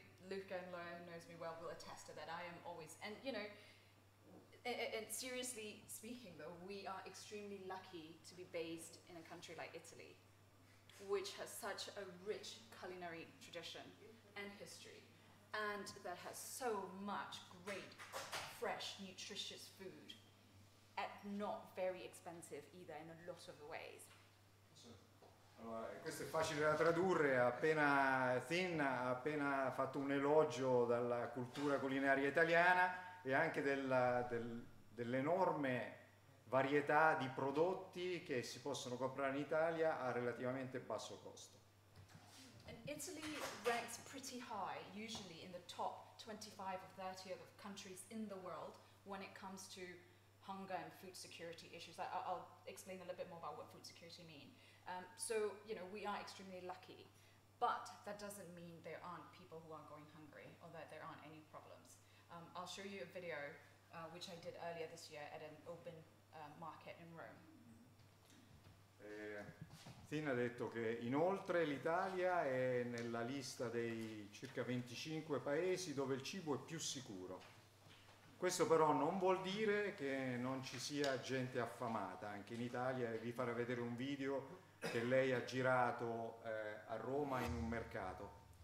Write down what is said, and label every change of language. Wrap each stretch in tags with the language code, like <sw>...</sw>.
<en>Luca and Laura, who knows me well, will attest to that. I am always, and and seriously speaking though, we are extremely lucky to be based in a country like Italy, which has such a rich culinary tradition and history, and that has so much great, fresh, nutritious food at not very expensive either, in a lot of the ways.</en> <it>Allora, questo è facile da tradurre. Appena Thin ha appena fatto un elogio della cultura culinaria italiana e anche dell'enorme varietà di prodotti che si possono comprare in Italia a relativamente basso costo.</it> <en>And Italy ranks pretty high, usually in the top 25 or 30 of countries in the world when it comes to hunger and food security issues. I'll explain a little bit more about what food security means. So, you know, we are extremely lucky, but that doesn't mean there aren't people who are going hungry or that there aren't any problems. I'll show you a video which I did earlier this year at an open market in Rome.</en> <it>Tina ha detto che inoltre l'Italia è nella lista dei circa 25 paesi dove il cibo è più sicuro. Questo però non vuol dire che non ci sia gente affamata anche in Italia, e vi farò vedere un video che lei ha girato a Roma in un mercato.</it>